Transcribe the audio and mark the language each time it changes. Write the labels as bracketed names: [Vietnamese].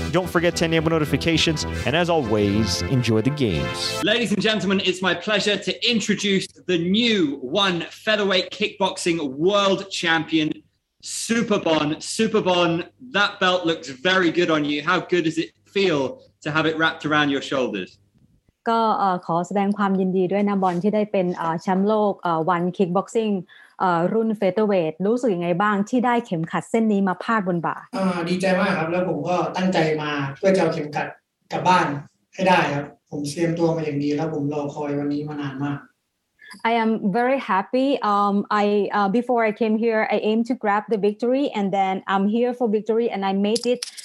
[English] Don't forget to enable notifications. And as always, enjoy the games. Ladies and gentlemen, it's my pleasure to introduce the new one featherweight kickboxing world champion, Superbon. Superbon, that belt looks very good on you. How good does it feel to have it wrapped around your shoulders? [Thai] ก็ขอแสดงความยินดีด้วยนะบอลที่ได้เป็นแชมป์โลกวันคิกบ็อกซิ่งรุ่นเฟเธอร์เวทรู้สึกยังไงบ้างที่ได้เข็มขัดเส้นนี้มาพาดบนบ่า ดีใจมากครับแล้วผมก็ตั้งใจมาเพื่อจะเอาเข็มขัดกลับบ้านให้ได้ครับผมเตรียมตัวมาอย่างดีแล้วผมรอคอยวันนี้มานานมาก [English] I am very happy. Before I came here, I aimed to grab the victory, and then I'm here for victory, and I made it.